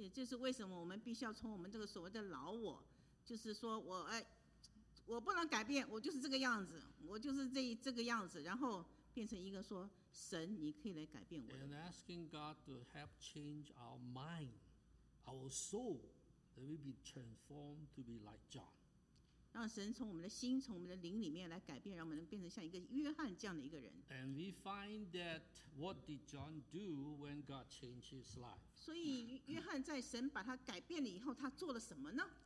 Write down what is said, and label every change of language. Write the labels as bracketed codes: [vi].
[zh] 也就是为什么我们必须要从我们这个所谓的老我，就是说我不能改变，我就是这个样子，我就是这个样子，然后。变成一个说神，你可以来改变我的。 [en] And asking God to help change our mind, our soul, that we be transformed to be like John. [zh] 让神从我们的心，从我们的灵里面来改变，让我们能变成像一个约翰这样的一个人。 [en] And we find that what did John do when God changed his life? [zh] 所以约翰在神把他改变了以后，他做了什么呢